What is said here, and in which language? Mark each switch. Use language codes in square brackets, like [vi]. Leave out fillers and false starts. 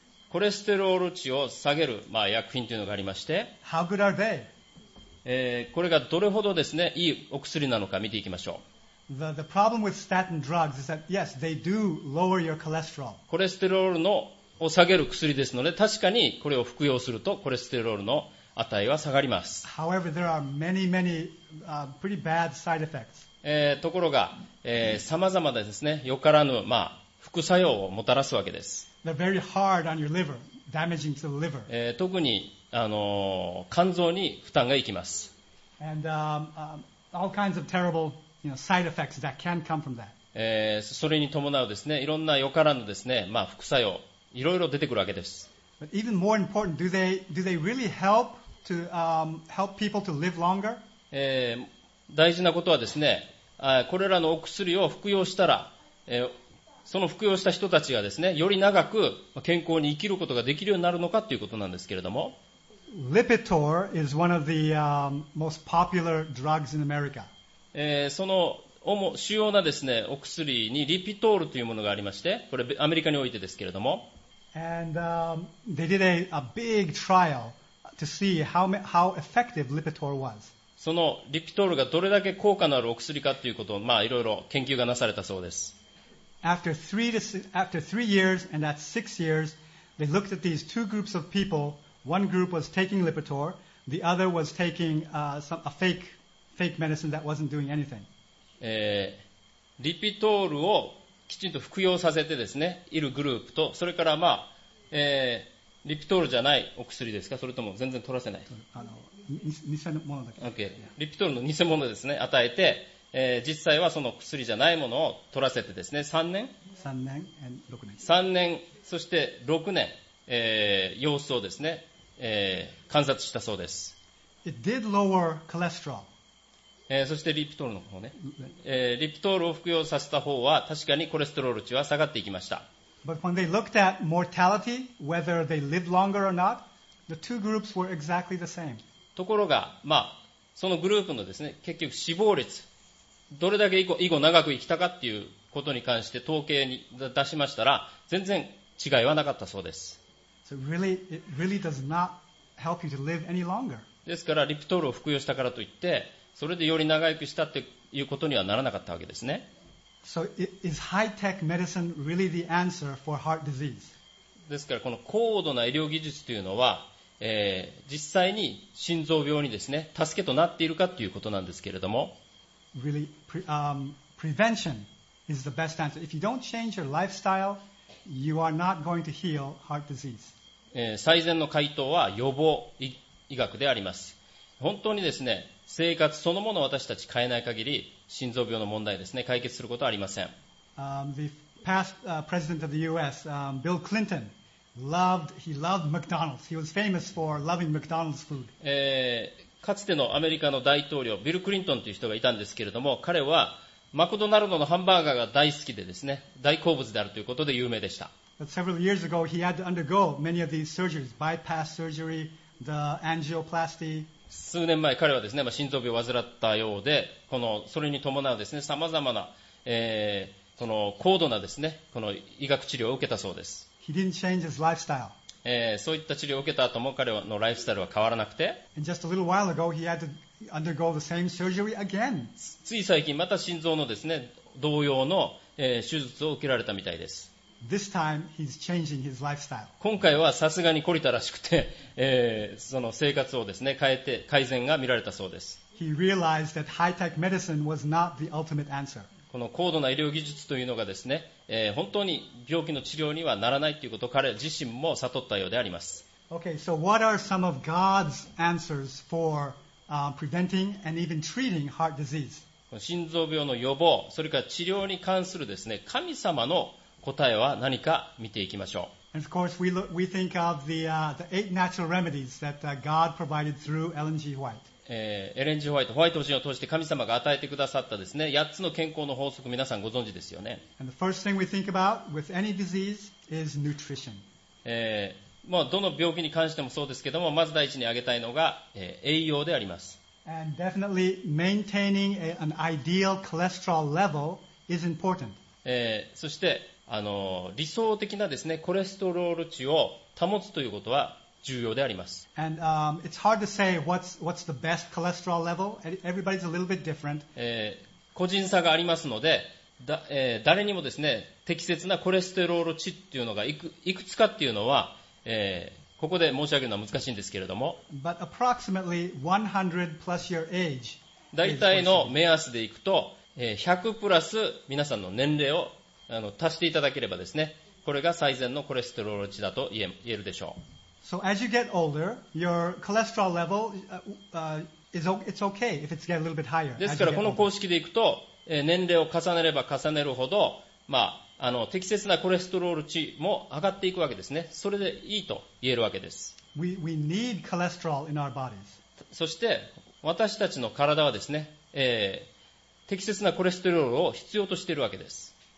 [ja] コレステロール値を下げる、まあ、薬品というのがありまして、 [en] How good are they? [ja] これがどれほどですね、いいお薬なのか見ていきましょう。 [en] The problem with statin drugs is that, yes, they do lower your cholesterol. [ja] コレステロールのを下げる薬ですので、確かにこれを服用するとコレステロールの値は下がります。 [en] However, there are many, many, pretty bad side effects. [ja] ところが、様々でですね、よからぬ、まあ、副作用をもたらすわけです。 [en] They're very hard on your liver, damaging to the liver. [ja] 特に、肝臓に負担がいきます。 [en] And, all kinds of terrible You know, side effects that can come from that. [ja] それに伴うですね、いろんなよからぬですね、まあ、副作用、いろいろ出てくるわけです。 [en] But even more important, do they really help to, help people to live longer? [ja] 大事なことはですね、これらのお薬を服用したら、その服用した人たちがですね、より長く健康に生きることができるようになるのかということなんですけれども。 [en] Lipitor is one of the, most popular drugs in America. [ja] その主要なですね、お薬にリピトールというものがありまして、これアメリカにおいてですけれども。 [en] And, they did a big trial to see how effective Lipitor was. [ja] そのリピトールがどれだけ効果のあるお薬かということを、まあ、いろいろ研究がなされたそうです。 [en] After three years and at six years, they looked at these two groups of people. One group was taking Lipitor, the other was taking, a fake medicine that wasn't doing anything. [ja] リピトールをきちんと服用させてですね、いるグループと、それから、まあリピトールじゃないお薬ですか、それとも全然取らせない、偽物だけ、 okay、リピトールの偽物ですね、与えて、実際はその薬じゃないものを取らせてですね、3年、そして6年、様子をですね、観察したそうです。 [en] It did lower cholesterol. [ja] そしてリピトールの方ね、リピトールを服用させた方は確かにコレステロール値は下がっていきました。 [en] But when they looked at mortality, whether they lived longer or not, the two groups were exactly the same. [ja] ところが、まあ、そのグループのですね、結局死亡率、どれだけ以後長く生きたかっていうことに関して統計に出しましたら、全然違いはなかったそうです。 [en] So really, it really does not help you to live any longer. [ja] ですから、リピトールを服用したからといって、それでより長生きしたということにはならなかったわけですね。 [en] So is high-tech medicine really the answer for heart disease? [ja] ですからこの高度な医療技術というのは、実際に心臓病にですね、助けとなっているかということなんですけれども。 [en] Really, prevention is the best answer. If you don't change your lifestyle, you are not going to heal heart disease. [ja] 最善の回答は予防医学であります。本当にですね、生活そのものを私たち変えない限り心臓病の問題ですね、解決することはありません。 [en] The past president of the US, Bill Clinton, he loved McDonald's. He was famous for loving McDonald's food. [ja] かつてのアメリカの大統領ビル・クリントンという人がいたんですけれども、彼はマクドナルドのハンバーガーが大好きでですね、大好物であるということで有名でした。 [en] But several years ago, he had to undergo many of these surgeries, bypass surgery, the angioplasty. [ja] 数年前彼はですね、まあ、心臓病を患ったようで、このそれに伴うですね、さまざまな、その高度なですね、この医学治療を受けたそうです。 [en] He didn't change his lifestyle. [ja] そういった治療を受けた後も彼のライフスタイルは変わらなくて、つい最近また心臓のですね、同様の、手術を受けられたみたいです。 [en] This time, he's changing his lifestyle. [ja] 今回はさすがに懲りたらしくて、その生活をですね、変えて改善が見られたそうです。 [en] He realized that high-tech medicine was not the ultimate answer. [ja] この高度な医療技術というのがですね、本当に病気の治療にはならないということを彼自身も悟ったようであります。 [en] Okay, so what are some of God's answers for preventing and even treating heart disease? [ja] 心臓病の予防、それから治療に関するですね、神様の答えは何か見ていきましょう。 [en] And of course, we think of the eight natural remedies that God provided through Ellen G. White. Ellen G. [ja] White、ホワイト夫人を通して神様が与えてくださったですね、8つの健康の法則、皆さんご存知ですよね。 [en] And the first thing we think about with any disease is nutrition. [ja] まあ、どの病気に関してもそうですけども、まず第一に挙げたいのが、栄養であります。 [en] And definitely maintaining an ideal cholesterol level is important. [ja] そして理想的なですね、コレステロール値を保つということは重要であります。 [en] And, it's hard to say what's the best cholesterol level. Everybody's a little bit different. [ja] 個人差がありますので、誰にもですね、適切なコレステロール値っていうのがいくつかっていうのは、ここで申し上げるのは難しいんですけれども。 [en] But approximately 100 plus your age. [ja] 大体の目安でいくと、100プラス皆さんの年齢を足していただければですね、これが最善のコレステロール値だと言えるでしょう。 [en] So as you get older, your cholesterol level it's okay if it's get a little bit higher. [ja] ですからこの公式でいくと、年齢を重ねれば重ねるほど、まあ適切なコレステロール値も上がっていくわけですね。それでいいと言えるわけです。 [en] We need cholesterol in our bodies. [ja] そして私たちの体はですね、適切なコレステロールを必要としているわけです。